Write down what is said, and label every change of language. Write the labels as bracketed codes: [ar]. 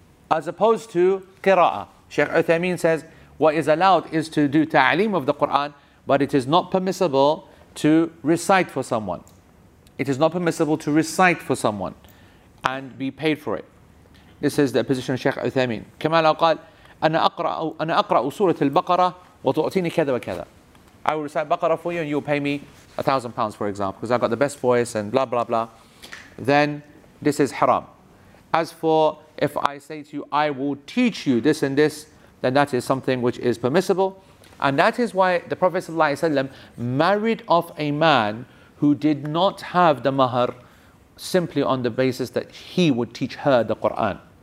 [en] As opposed to qira'ah. Sheikh Uthaymeen says, what is allowed is to do ta'aleem of the Qur'an, but it is not permissible to recite for someone. It is not permissible to recite for someone and be paid for it. This is the position of Sheikh Uthaymeen. [ar] Kamal Aqal, أنا أقرأ سورة البقرة وتعطيني كذا وكذا. [en] I will recite بقرة for you and you'll pay me £1,000, for example, because I've got the best voice and blah blah blah. Then this is haram. As for if I say to you, I will teach you this and this, then that is something which is permissible. And that is why the Prophet ﷺ married off a man who did not have the mahar simply on the basis that he would teach her the Quran.